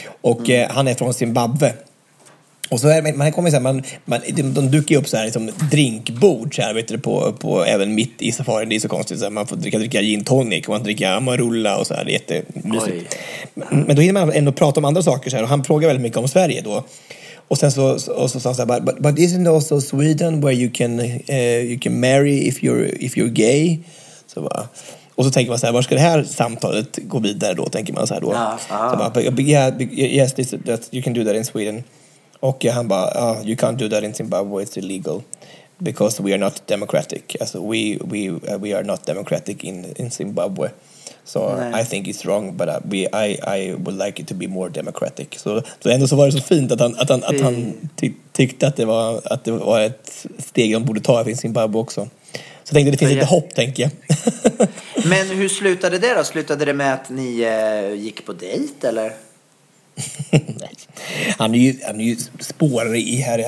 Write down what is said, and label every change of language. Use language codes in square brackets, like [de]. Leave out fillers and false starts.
[sv] Och han är från Zimbabwe. Och så är man kommer så här, de dyker ju upp så här liksom drinkbord så här, vet du, på även mitt i safari. Det är så konstigt, så här, man får dricka gin tonic och man dricker amarula och så här, det är jättemysigt. Men då hinner man ändå prata om andra saker så här, och han frågar väldigt mycket om Sverige då. Och sen så sa han så här, [en] but isn't it also Sweden where you can marry if you're gay? [sv] Så bara, och så tänker man så här, var ska det här samtalet gå vidare då, tänker man så här då. Så bara, [en] yes, that you can do that in Sweden. [sv] Och han bara, [en] you can't do that in Zimbabwe, it's illegal because we are not democratic. [sv] Alltså [en] we are not democratic in Zimbabwe. So [sv] nej. [en] I think it's wrong, but I would like it to be more democratic. [sv] Så ändå så var det så fint att han tyckte att det var ett steg de borde ta i Zimbabwe också. Så tänkte det finns lite hopp, tänker jag. Men hur slutade det då? Slutade det med att ni gick på dejt eller? Nej. Han är ju spårare i här.